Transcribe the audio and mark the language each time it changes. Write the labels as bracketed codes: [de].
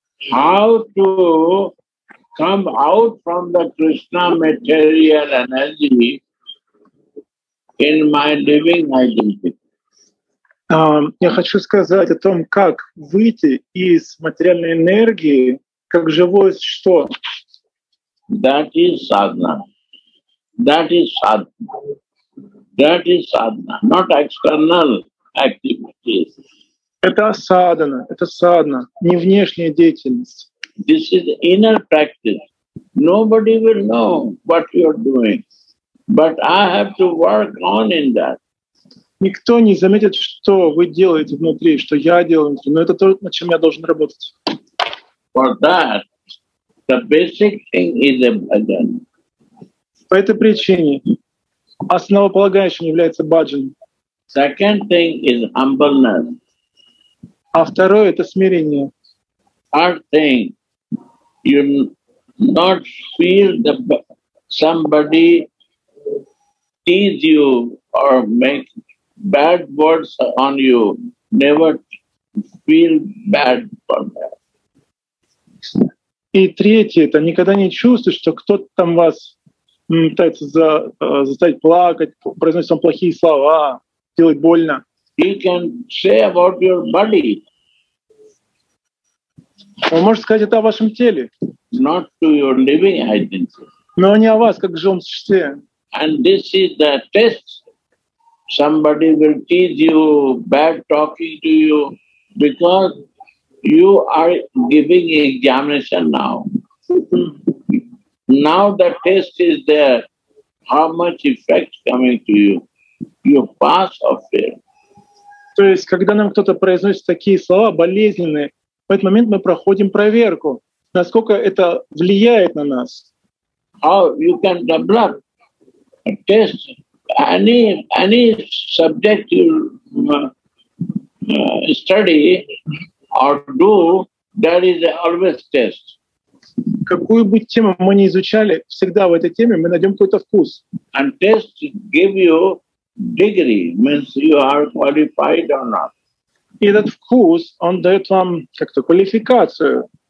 [en] How to come out from the Krishna material energy in my living identity? [ru] Я хочу сказать о том, как выйти из материальной энергии, как живое существо. [en] That is sadhana. That is sadhana. That is sadhana, not external activities. [ru] Это садхана, это садхана, не внешняя деятельность. [en] This is inner practice. Nobody will know what you are doing, but I have to work on in that. [ru] Никто не заметит, что вы делаете внутри, что я делаю внутри, но это то, над чем я должен работать. [en] For that, the basic thing is a bhajan. [ru] По этой причине основополагающим является баджан. [en] Second thing is humbleness. [ru] А второе — это смирение. [en] Third thing, you not feel that somebody tease you or make bad words on you. Never feel bad for that. [ru] И третье, это никогда не чувствуешь, что кто-то там вас пытается заставить плакать, произносить вам плохие слова, делать больно. [en] He can say about your body. [ru] Он может сказать это о вашем теле. [en] Not to your living identity. [ru] Но не о вас, как живом существе. [en] And this is the test. Somebody will tease you, bad talking to you, because you are giving examination now. Now the test is there. How much effect coming to you? You pass or fail. [ru] То есть, когда нам кто-то произносит такие слова болезненные, в этот момент мы проходим проверку, насколько это влияет на нас. [en] How you can develop a test? Any subject you study or do, there is always test. [ru] Какую бы тему мы ни изучали, всегда в этой теме мы найдем какой-то вкус. [en] And test give you degree, means you are qualified or not. [ru] И этот вкус, он дает вам как-то квалификацию.